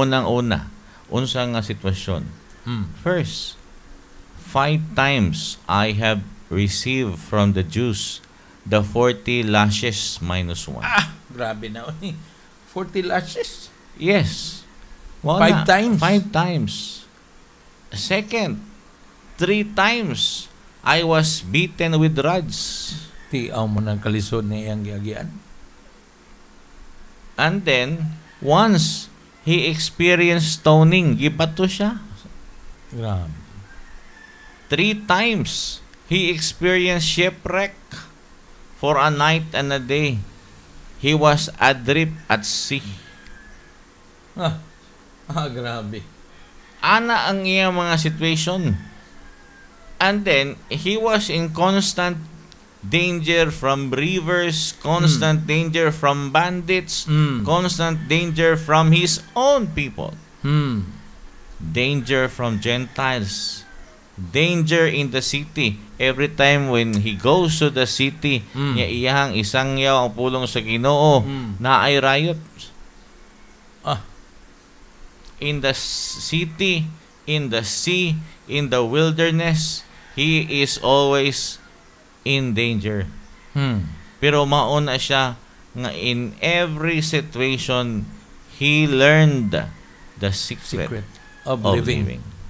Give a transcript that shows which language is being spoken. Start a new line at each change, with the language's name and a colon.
Cebuano: Unang-una, unsa nga sitwasyon?
English: First, 5 times I have received from the Jews the 40 lashes minus 1.
Cebuano: Ah, grabe na.
English: 40 lashes? Yes.
Cebuano: Una, 5 times?
English: 5 times. Second, 3 times I was beaten with rods.
Cebuano: Tiaw mo ng kalisod niya ang giyagian.
English: And then, once he experienced stoning,
Cebuano: gibato siya. Grabe.
English: 3 times he experienced shipwreck for a night and a day. He was adrift at sea.
Cebuano: Ah, grabe. Ana ang iyang mga situation.
English: And then, he was in constant danger from rivers, constant danger from bandits, constant danger from his own people. Danger from Gentiles. Danger in the city. Every time when he goes to the city,
Cebuano: iyang isang yaw ang pulong sa Ginoo, na ay riot.
English: In the city, in the sea, in the wilderness, he is always in danger.
Cebuano: Pero mauna siya nga
English: in every situation he learned the secret of living.